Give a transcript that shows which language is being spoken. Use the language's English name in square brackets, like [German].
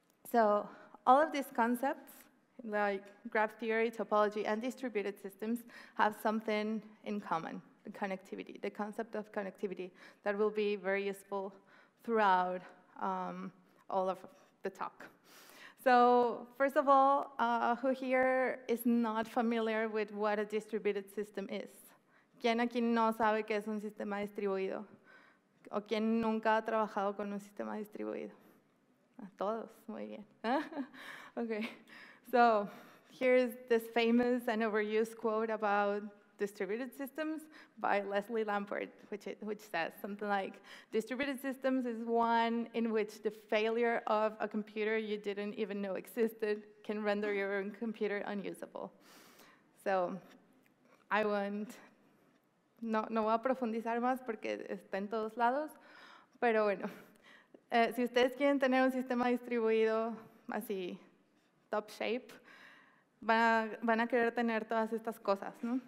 [English] So all of these concepts, like graph theory, topology, and distributed systems, have something in common, the connectivity, the concept of connectivity that will be very useful throughout all of the talk. So first of all, who here is not familiar with what a distributed system is? [Spanish] ¿Quién aquí no sabe qué es un sistema distribuido? ¿O quién nunca ha trabajado con un sistema distribuido? A todos, muy bien. [English] Okay, so here's this famous and overused quote about distributed systems by Leslie Lamport, which says something like, distributed systems is one in which the failure of a computer you didn't even know existed can render your own computer unusable. So I won't, [Spanish] no voy a profundizar más porque está en todos lados, pero bueno. Si ustedes quieren tener un sistema distribuido así, top shape, van a querer tener todas estas cosas, ¿no?